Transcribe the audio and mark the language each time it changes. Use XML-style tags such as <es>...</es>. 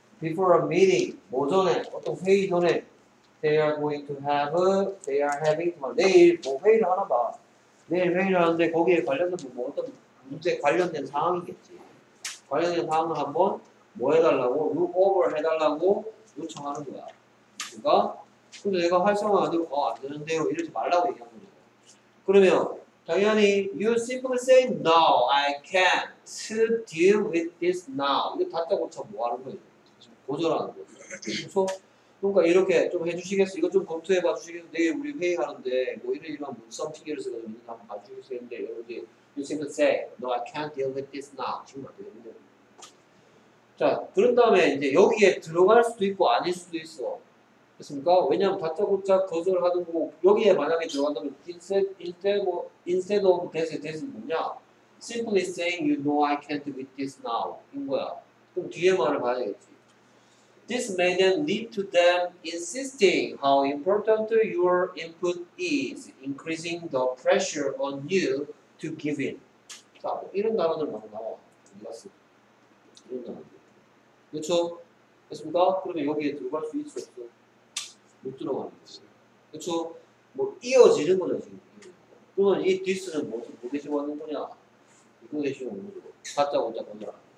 <en>before a meeting,</en> <ko>오전에 어떤 회의 전에</ko> <en>they are going to have a, they are having</en> <ko>뭐 내일 뭐 회의를 하나 봐. 내일 회의를 하는데 거기에 관련된 뭐 어떤 문제 관련된 상황이겠지. 관련된 상황을 한번 뭐 해달라고</ko> <en>look over</en> <ko>해달라고 요청하는 거야. 그러니까 근데 내가 활성화 안 되고 안 되는데요 이러지 말라고 얘기하는 거야.</ko> <en>그러면 당연히 you simply say no, I can't deal with this now.</en> <ko>이거 다짜고짜 뭐 하는 거야? 거절하는 거야. 그래서 그러니까 이렇게 좀 해주시겠어? 이거 좀 검토해 봐주시겠어? 내일 우리 회의하는데 뭐 이런 이런 문서 피규어를 써가지고 이거 한번 봐주시겠는데 여러분들</ko> <en>you simply say no, I can't deal with this now.</en> <ko>지금 안 되는데. 자, 그런 다음에 이제 여기에 들어갈 수도 있고 아닐 수도 있어. 됐습니까? 왜냐면 다짜고짜 거절을 하던 거고 여기에 만약에 들어간다면 instead of this은 뭐냐?</ko> <en>Simply saying you know I can't do this now 인 거야.</en> <ko>그럼 뒤에 말을 봐야 되겠지.</ko> <en>This may then lead to them insisting how important your input is, increasing the pressure on you to give in.</en> <ko>자, 이런 단어들 많이 나와. 이런 단어들. 그렇죠? 됐습니까? 그러면 여기에 들어갈 수 있어? 없어? 못 들어가는 거지. 그렇죠? 뭐 이어지는 거죠 지금. 그러면 이 디스는 뭐지? 뭐게 지금 하는 거냐? 이거 대신 오는 거죠. 다짜고짜 건드라.</ko>